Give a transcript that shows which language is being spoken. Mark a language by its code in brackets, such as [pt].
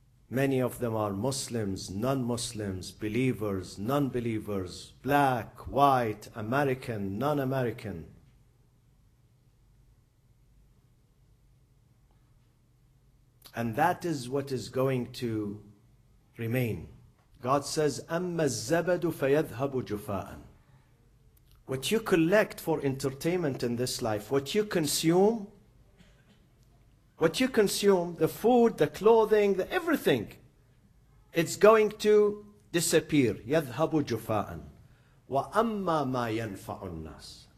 [en] Many of them are Muslims, non-Muslims, believers, non-believers, black, white, American, non-American. And that is what is going to remain. God says, [ar] أَمَّا الزَّبَدُ فَيَذْهَبُ جُفَاءً. [en] What you collect for entertainment in this life, what you consume, the food, the clothing, the everything, it's going to disappear. [ar] يَذْهَبُ جُفَاءً. وَأَمَّا مَا يَنْفَعُ النَّاسِ.